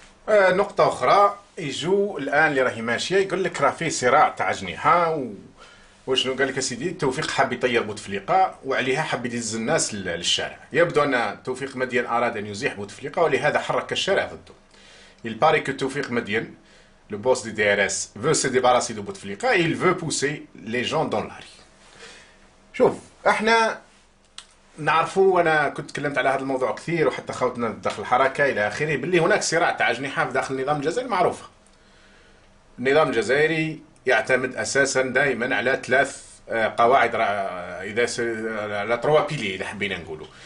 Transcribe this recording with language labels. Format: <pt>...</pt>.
<ar>نقطة أخرى، يجو الآن اللي راهي ماشية يقول لك راه فيه صراع تاع أجنحة وشنو قال لك سيدي توفيق حاب يطير بوتفليقة وعليها حاب يدز الناس للشارع. يبدو أن توفيق مديان أراد أن يزيح بوتفليقة ولهذا حرك الشارع ضده.</ar> <fr>Il paraît que توفيق مديان le boss du DRS veut se débarrasser de Bouteflika et il veut pousser les gens dans la rue.</fr> <ar>شوف احنا نعرفوا وانا كنت تكلمت على هذا الموضوع كثير وحتى خوتنا دخل الحركه الى اخره باللي هناك صراع تاع اجنحه في داخل النظام الجزائري معروفه. النظام الجزائري يعتمد اساسا دائما على ثلاث قواعد اذا على</ar> <fr>تروا بيلي</fr> <ar>اذا حبينا نقولوا.</ar>